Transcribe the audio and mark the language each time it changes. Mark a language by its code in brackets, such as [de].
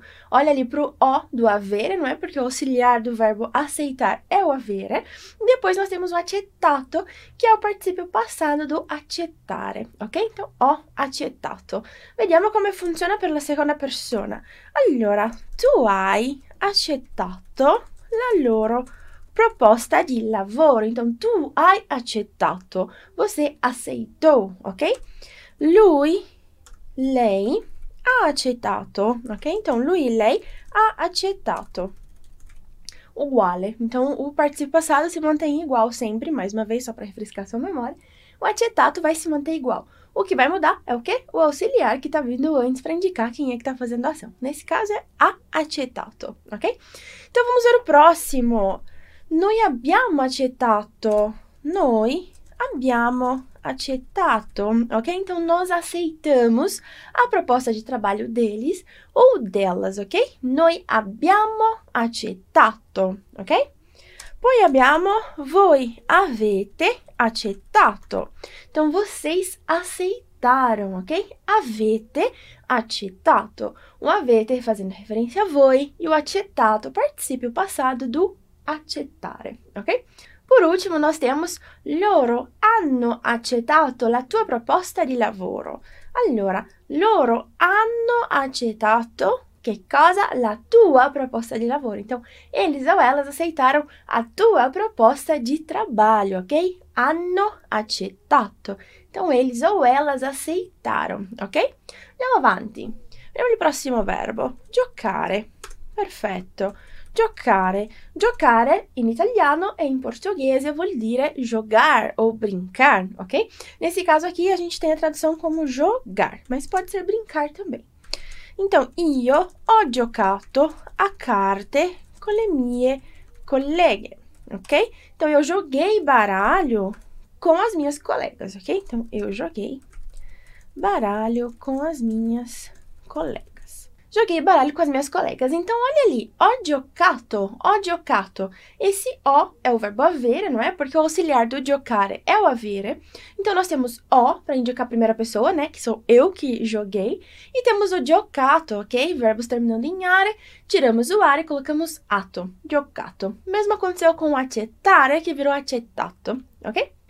[pt] Olha ali pro o do avere, não é? Porque o auxiliar do verbo aceitar é o avere. Depois nós temos o accettato, que é o participio passato do accettare, ok? Então, [it] ho accettato. Vediamo come funziona per la seconda persona. Allora, tu hai accettato la loro proposta di lavoro. [pt] Então, [it] tu hai accettato. [pt] Você aceitou, ok? [it] Lui, lei ha accettato, ok? [pt] Então, [it] lui, lei ha accettato. Uguale. [pt] Então, o participio passato si mantém igual sempre, mais uma vez, só para refrescar sua memória. O accettato vai se manter igual. O que vai mudar é o quê? O auxiliar que está vindo antes para indicar quem é que está fazendo a ação. Nesse caso, é [it] ha accettato, [pt] ok? Então, vamos ver o próximo. [it] Noi abbiamo accettato. Noi abbiamo accettato, ok? [pt] Então, nós aceitamos a proposta de trabalho deles ou delas, ok? [it] Noi abbiamo accettato, ok? Poi abbiamo, voi avete accettato. [pt] Então, vocês aceitaram, ok? [it] Avete accettato. [pt] O avete fazendo referência a voi e o accettato, participio passado do accettare, ok? Por último, nós temos [it] loro hanno accettato la tua proposta di lavoro. Allora, loro hanno accettato che cosa? La tua proposta di lavoro. [pt] Então, eles ou elas aceitaram a tua proposta di trabalho, ok? [it] Hanno accettato. [pt] Então, eles ou elas aceitaram, ok? [it] Andiamo avanti. Vediamo il prossimo verbo. Giocare. Perfetto. Giocare. Giocare in italiano e in portoghese vuol dire [pt] jogar ou brincar, [it] ok? [pt] Nesse caso aqui a gente tem a tradução como jogar, mas pode ser brincar também. Então, [it] io ho giocato a carte con le mie colleghe, ok? [pt] Então, eu joguei baralho com as minhas colegas, ok? Então, eu joguei baralho com as minhas colegas. Joguei baralho com as minhas colegas. Então, olha ali, [it] ho giocato, ho giocato. [pt] Esse ho é o verbo avere, não é? Porque o auxiliar do giocare é o avere. Então, nós temos ho para indicar a primeira pessoa, né? Que sou eu que joguei. E temos o giocato, ok? Verbos terminando em are, tiramos o are e colocamos ato, giocato. Mesmo aconteceu com o accettare, que virou accettato, ok?